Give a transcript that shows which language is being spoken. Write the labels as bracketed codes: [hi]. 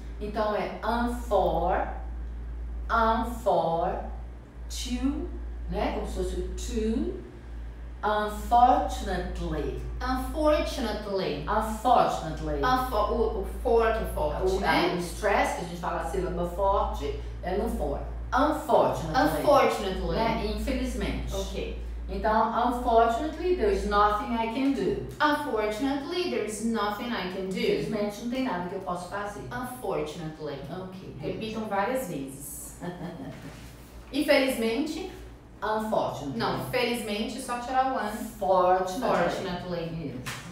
[pt] Então é unfortunately, né? Como se fosse unfortunately. [en] Unfortunately. Unfortunately. [pt] O stress, que a gente fala a sílaba forte, é no for. [en] Unfortunately. Unfortunately. [pt] Né? Infelizmente. [en] Ok. [pt] Então, [en] unfortunately, there is nothing I can do. Unfortunately, there is nothing I can do. [pt] Infelizmente, não tem nada que eu possa fazer. [en] Unfortunately. Ok. [pt] Repitam várias vezes. Infelizmente. [en] Unfortunately. [pt] Não, felizmente, só tirar o an. [en] Fortunately.